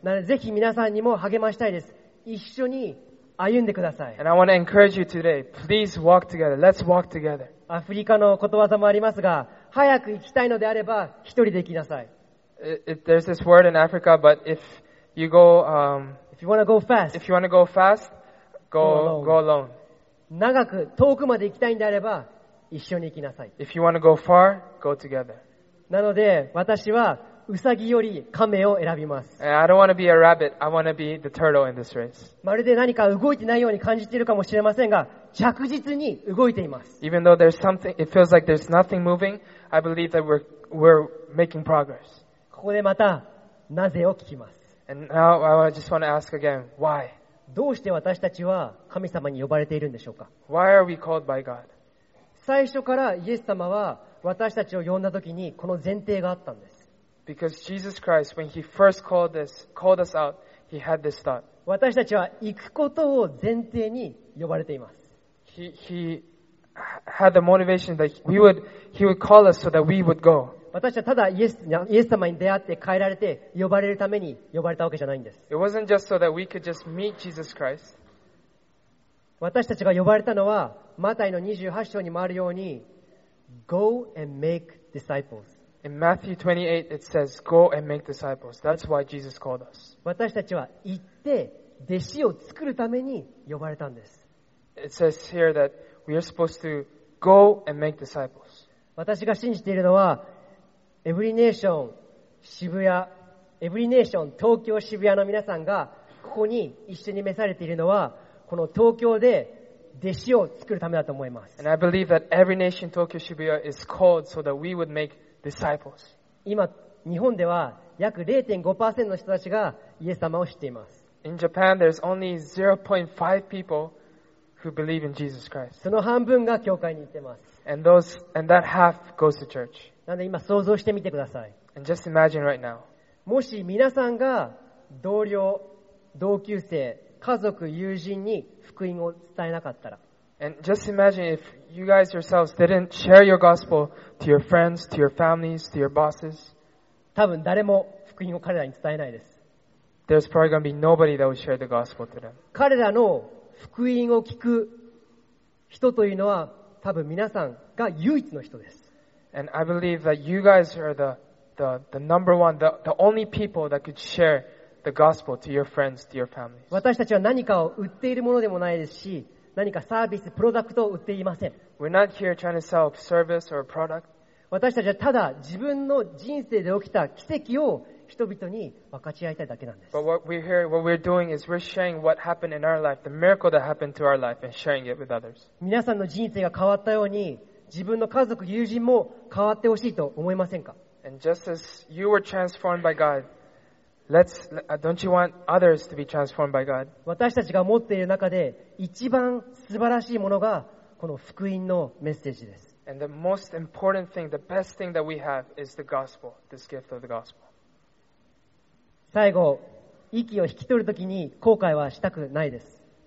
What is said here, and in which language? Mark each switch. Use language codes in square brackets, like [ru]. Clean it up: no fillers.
[ja] なので、ぜひ皆さんにも励ましたいです。一緒に歩んでください。 [en] And I want to encourage you today. Please walk together. Let's walk together. [ja] アフリカのことわざもありますが、早く行きたいのであれば一人で行きなさい。 [en] There's this word in Africa, but if you go, if you want to go fast, if you want to go fast, go alone. [ja] 長く遠くまで行きたいんであれば一緒に行きなさい。 [en] If you want to go far, go together. [ja] なので私はウサギよりカメを選びます。 [en] I don't want to be a rabbit. I want to be the turtle in this race. [ja] まるで何か動いてないように感じているかもしれませんが、着実に動いています。 [en] Even though there's something, it feels like there's nothing moving. I believe that we're making progress. [ja] ここでまたなぜを聞きます。 [en] And now I just want to ask again, why? [ja] どうして私たちは神様に呼ばれているんでしょうか。 [en] Why are we called by God? [ja] 最初からイエス様は私たちを呼んだときにこの前提があったんです。 [en] Because Jesus Christ, when He first called us out, He had this thought. [ja] 私たちは行くことを前提に呼ばれています。 [en] He had the motivation that He would call us so that we would go. [ja] 私はただイエス様に出会って変えられて呼ばれるために呼ばれたわけじゃないんです。 [en] It wasn't just so that we could just meet Jesus Christ. [ja] 私たちが呼ばれたのはマタイの28章にもあるように、 [en] Go and make disciples. In Matthew 28, it says, "Go and make disciples." That's why Jesus called us. [ja] 私たちは行って弟子を作るために呼ばれたんです。 [en] It says here that we are supposed to go and make disciples. [ja] 私が信じているのは、Every Nation 渋谷、Every Nation 東京渋谷の皆さんがここに一緒に召されているのは、この東京で弟子を作るためだと思います。 [en] And I believe that Every Nation Tokyo Shibuya is called so that we would make Disciples. [ja] 今日本では約 0.5% の人たちがイエス様を知っています。 [en] In Japan, there's only 0.5 people who believe in Jesus Christ. [ja] その半分が教会に行ってます。 [en] And that half goes to church. [ja] なので今想像してみてください。 [en] And just imagine right now. [ja] もし皆さんが同僚、同級生、家族、友人に福音を伝えなかったら。 [en] And just imagine if you guys yourselves didn't share your gospel to your friends, to your families, to your bosses. [ja] 多分誰も福音を彼らに伝えないです。 [en] There's probably going to be nobody that would share the gospel to them. [ja] 彼らの福音を聞く人というのは多分皆さんが唯一の人です。 [en] And I believe that you guys are the number one, the only people that could share the gospel to your friends, to your families. [ja] 私たちは何かを売っているものでもないですし、何かサービス、プロダクトを売っていません。 [en] We're not here trying to sell service or product. [ja] 私たちはただ自分の人生で起きた奇跡を人々に分かち合いたいだけなんです。 [en] But what we're doing is we're sharing what happened in our life, the miracle that happened to our life, and sharing it with others. [ja] 皆さんの人生が変わったように、自分の家族、友人も変わってほしいと思いませんか? [en] And just as you were transformed by God, don't you want others to be transformed by God? [ja] 私たちが持っている中で一番素晴らしいものがこの福音のメッセージです。 [en] And the most important thing, the best thing that we have is the gospel, this gift of the gospel. [ja] 最後、息を引き取るときに後悔はしたくないです。